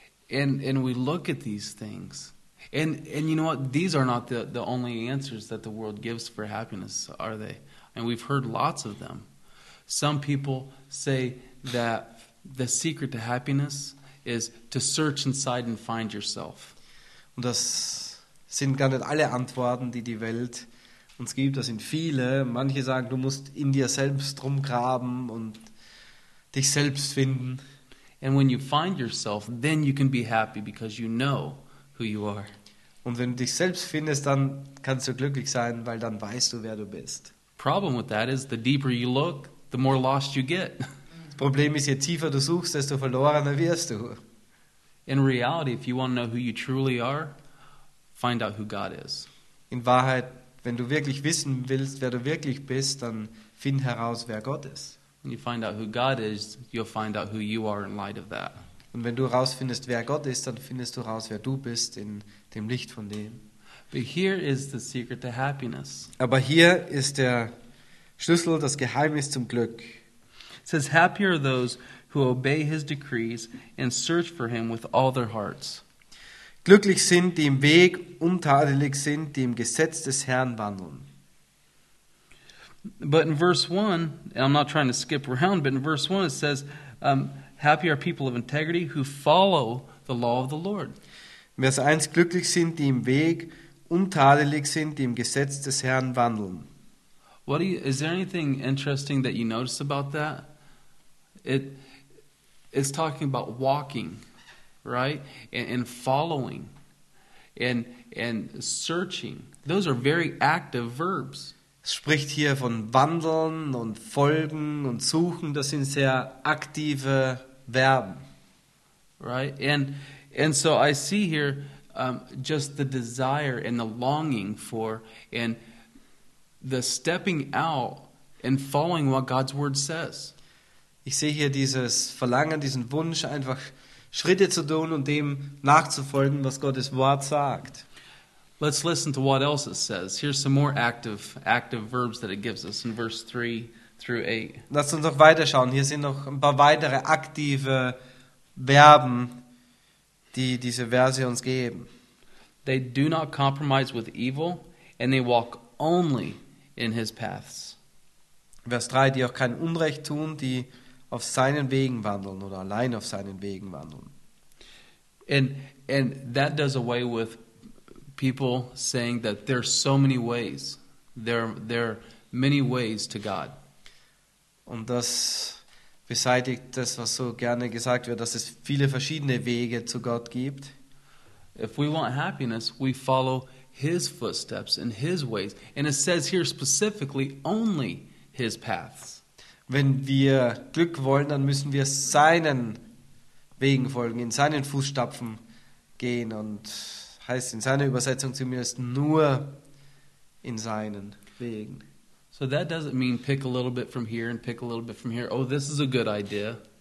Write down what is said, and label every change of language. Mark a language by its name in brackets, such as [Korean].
[English] And we look at these things. And you know what? These are not the only answers that the world gives for happiness, are they? And we've heard lots of them. Some people say that the secret to happiness is to search inside and find yourself. [German] Und das sind gar nicht alle Antworten, die die Welt uns gibt. Das sind viele. Manche sagen, du musst in dir selbst rumgraben und dich selbst finden. [English] And when you find yourself, then you can be happy because you know who you are. [German] Und wenn du dich selbst findest, dann kannst du glücklich sein, weil dann weißt du, wer du bist. [English] Problem with that is the deeper you look, the more lost you get. [German] Das Problem ist, je tiefer du suchst, desto verlorener wirst du. [English] In reality, if you want to know who you truly are, find out who God is. [German] In Wahrheit, wenn du wirklich wissen willst, wer du wirklich bist, dann find heraus, wer Gott ist. [English] When you find out who God is, you'll find out who you are in light of that. [German] Und wenn du rausfindest, wer Gott ist, dann findest du raus, wer du bist in dem Licht von dem. [English] But here is the secret to happiness. [German] Aber hier ist der Schlüssel, das Geheimnis zum Glück. [English] It says, happy are those who obey his decrees and search for him with all their hearts. [German] Glücklich sind, die im Weg untadelig sind, die im Gesetz des Herrn wandeln. [English] But in verse 1, I'm not trying to skip around, but in verse 1 it says, happy are people of integrity who follow the law of the Lord. [German] Vers 1, glücklich sind, die im Weg untadelig sind, die im Gesetz des Herrn wandeln. [English] Is there anything interesting that you notice about that? It's talking about walking, right? And following and searching. Those are very active verbs. [German] Spricht hier von wandeln und folgen und suchen. Das sind sehr aktive Verben. [English] Right? And so I see here just the desire and the longing for and the stepping out and following what God's word says. [German] Ich sehe hier dieses Verlangen, diesen Wunsch, einfach Schritte zu tun und dem nachzufolgen, was Gottes Wort sagt. [English] Let's listen to what else it says. Here's some more active verbs that it gives us in verse 3 through 8. [German] Lass uns noch weiterschauen. Hier sind noch ein paar weitere aktive Verben, die diese Verse uns geben. [English] They do not compromise with evil and they walk only in his paths. [German] Vers 3, die auch kein Unrecht tun, die auf seinen Wegen wandeln oder allein auf seinen Wegen wandeln. [English] And that does away with people saying that there are so many ways. There are many ways to God. [German] Und das beseitigt das, was so gerne gesagt wird, dass es viele verschiedene Wege zu Gott gibt. [English] If we want happiness, we follow his footsteps and his ways. And it says here specifically, only his paths. [German] Wenn wir Glück wollen, dann müssen wir seinen Wegen folgen, in seinen Fußstapfen gehen. Und heißt in seiner Übersetzung zumindest nur in seinen Wegen. [English] So that doesn't mean pick a little bit from here and pick a little bit from here. Oh, this is a good idea.